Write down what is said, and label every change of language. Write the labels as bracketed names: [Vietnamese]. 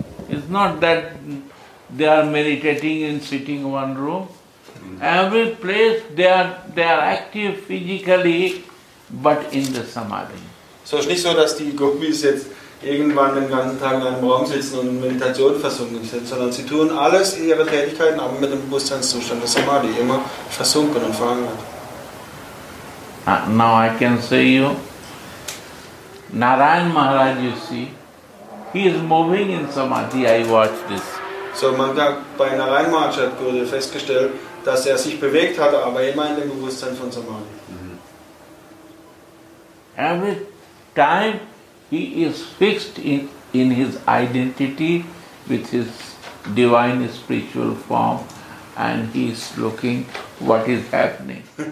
[English] It's not that they are meditating and sitting in one room. Every place they are active physically, but in the Samadhi. [German] So, es ist nicht so, dass die Gopis jetzt irgendwann den ganzen Tag in einem Raum sitzen und in Meditation versunken sind, sondern sie tun alles in ihre Tätigkeiten, aber mit dem Bewusstseinszustand des Samadhi, immer versunken und verankert. [English] Now I can say you, Narayan Maharaj, you see, he is moving in Samadhi, I watch this. [German] So, man kann bei Narayan Maharaj hat Gurudev festgestellt, dass er sich bewegt hatte, aber immer in dem Bewusstsein von Samadhi. Mm-hmm. [English] Time he is fixed in his identity with his divine spiritual form and he is looking what is happening.